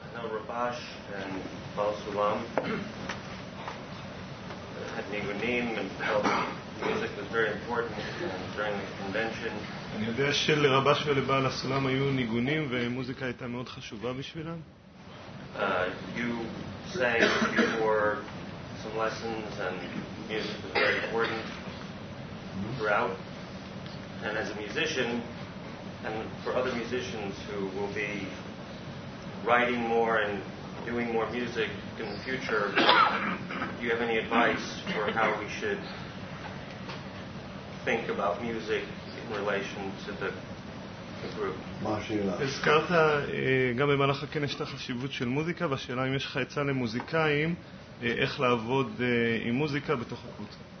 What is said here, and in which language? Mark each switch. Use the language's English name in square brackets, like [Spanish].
[English] Rabash and Baal Sulam had nigunim and felt music was very important during the convention. [Hebrew] אני יודע של רבש ולבעל הסולם היו ניגונים ומוזיקה הייתה מאוד חשובה בשבילם. [English] You sang before some lessons and music was very important throughout. And as a musician and for other musicians who will be writing more and doing more music in the future, do you have any advice for how we should think about music in relation to the group? [Hebrew] מה השאלה? הזכרת גם במהלך הכנס את החשיבות של מוזיקה, והשאלה אם יש לך עצה למוזיקאים איך לעבוד עם מוזיקה בתוך הקבוצה.